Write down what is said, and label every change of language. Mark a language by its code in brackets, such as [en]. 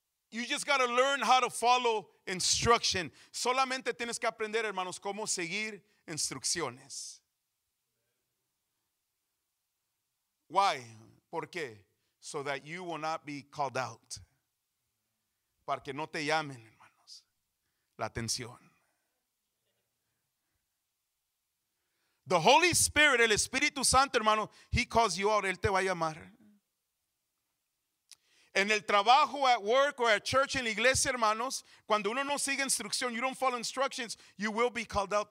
[en] You just got to learn how to follow instruction. [es] Solamente tienes que aprender, hermanos, cómo seguir instrucciones. [en] Why? [es] ¿Por qué? [en] So that you will not be called out. [es] Para que no te llamen, hermanos, la atención. [en] The Holy Spirit, [es] el Espíritu Santo, hermano, [en] he calls you out. [es] Él te va a llamar. En el trabajo, [en] at work, or at church, [es] en la iglesia, hermanos, cuando uno no sigue instrucción, [en] you don't follow instructions, you will be called out.